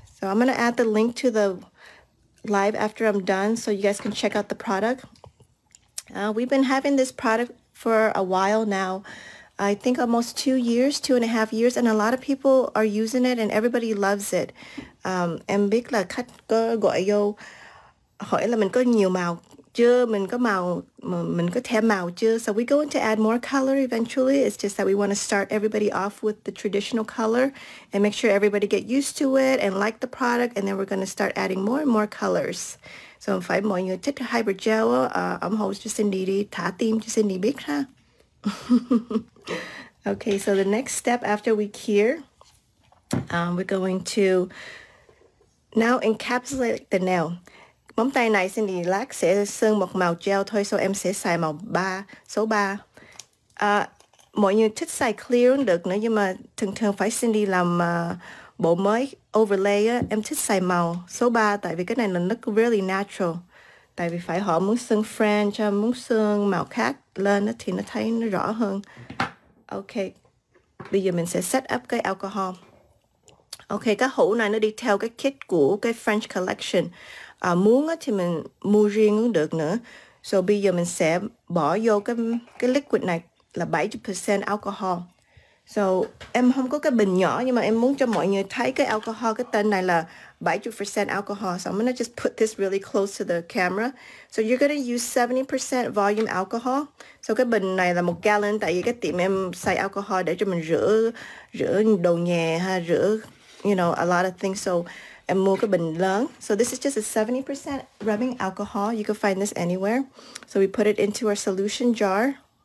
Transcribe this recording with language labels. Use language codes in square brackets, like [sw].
[en] So I'm going to add the link to the live after I'm done so you guys can check out the product. We've been having this product for a while now. I think almost 2 years, 2.5 years, and a lot of people are using it and everybody loves it. [vi] Em biết là khách có gọi vô hỏi là mình có nhiều màu chưa, mình có màu, mình có thêm màu chưa. [en] So we're going to add more color eventually. It's just that we want to start everybody off with the traditional color and make sure everybody get used to it and like the product, and then we're going to start adding more and more colors. [vi] So phải mọi người thích hybrid gel, [en] I'm host [vi] cho Cindy đi, thả tim cho Cindy biết ha. [en] Okay, so the next step after we cure, we're going to now encapsulate the nail. [vi] Móng tay này xin đi lát sẽ sơn một màu gel thôi, so em sẽ xài màu 3, số 3. Mọi người thích xài clear cũng được nữa, nhưng mà thường thường phải xin đi làm bộ mới, overlay, em thích xài màu số 3, tại vì cái này nó [en] look really natural. [vi] Tại vì phải họ muốn sơn French, muốn sơn màu khác lên thì nó thấy nó rõ hơn. Okay, bây giờ mình sẽ set up cái alcohol. Okay, cái hũ này nó đi theo cái kit của cái French collection. Muốn thì mình mua riêng cũng được nữa. So bây giờ mình sẽ bỏ vô cái liquid này là 70% alcohol. So em không có cái bình nhỏ, nhưng mà em muốn cho mọi người thấy cái alcohol, cái tên này là 70% alcohol. [en] So I'm going to just put this really close to the camera. So you're going to use 70% volume alcohol. [vi] So cái bình này là 1 gallon, tại vì cái tiệm em xài alcohol để cho mình rửa đồ nhà ha, rửa, [en] you know, a lot of things. [vi] So em mua cái bình lớn. [en] So this is just a 70% rubbing alcohol. You can find this anywhere. So we put it into our solution jar.